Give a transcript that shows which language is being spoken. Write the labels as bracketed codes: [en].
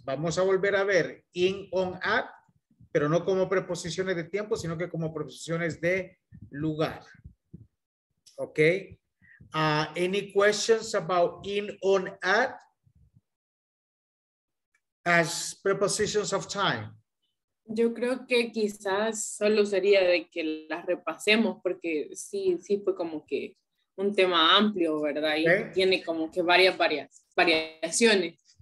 [es] Vamos a volver a ver in, on, at, pero no como preposiciones de tiempo, sino que como preposiciones de lugar. [en] Okay. Any questions about in, on, at as prepositions of time? [es] Yo creo que quizás solo sería de que las repasemos porque sí, sí fue como que un tema amplio, ¿verdad? Y okay, tiene como que varias variaciones.